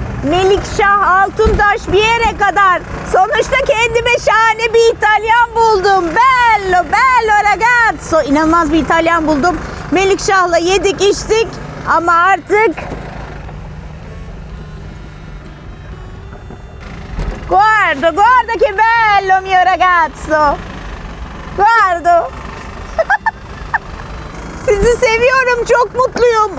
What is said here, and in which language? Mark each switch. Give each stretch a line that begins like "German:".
Turkish: Melikşah Altuntaş bir yere kadar. Sonuçta kendime şahane bir İtalyan buldum.
Italian: Bello, bello ragazzo.
Turkish: İnanılmaz bir İtalyan buldum. Melikşah'la yedik, içtik ama artık...
Italian: Guardo, guardo che bello mio ragazzo. Guardo.
Turkish: Sizi seviyorum, çok mutluyum.